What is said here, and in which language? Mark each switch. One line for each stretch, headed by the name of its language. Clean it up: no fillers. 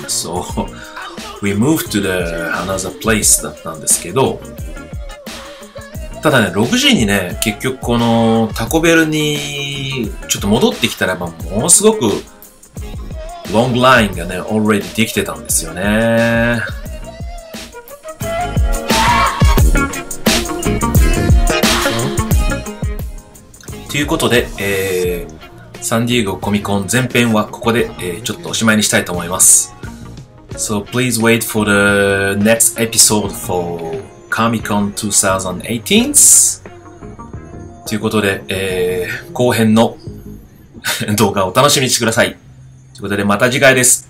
English: so we moved to the another place
Japanese: だったんですけど、ただね6時にね結局このタコベルにちょっと戻ってきたらば、もうすごくロングラインがね already できてたんですよね。ということで、サンディエゴコミコン前編はここで、ちょっとおしまいにしたいと思います。
English: So please wait for the next episode for Comic-Con 2018.
Japanese: ということで、後編の動画をお楽しみにしてください。ということでまた次回です。